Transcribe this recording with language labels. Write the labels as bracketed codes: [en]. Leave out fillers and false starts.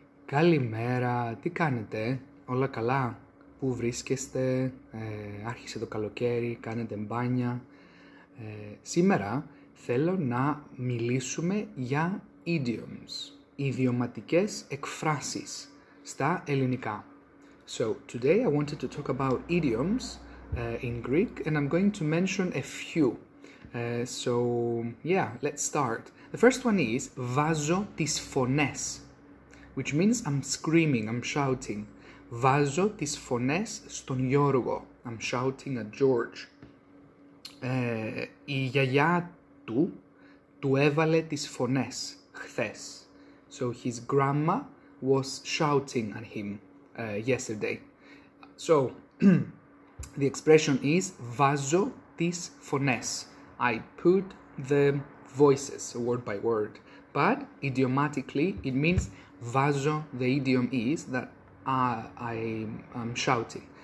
[el] Καλημέρα, τι κάνετε, όλα καλά, πού βρίσκεστε, άρχισε το καλοκαίρι, κάνετε μπάνια. Σήμερα θέλω να μιλήσουμε για idioms, ιδιωματικές εκφράσεις στα ελληνικά. [en] So, today I wanted to talk about idioms in Greek and I'm going to mention a few. So, yeah, let's start. The first one is βάζω τις φωνές. Which means I'm screaming, I'm shouting. [el] Βάζω τις φωνές στον Γιώργο. I'm shouting at George. Η γιαγιά του έβαλε τις φωνές χθες. [en] So his grandma was shouting at him yesterday. So the expression is βάζω τις φωνές. I put the voices word by word. But idiomatically it means βάζω, the idiom is that I'm shouting.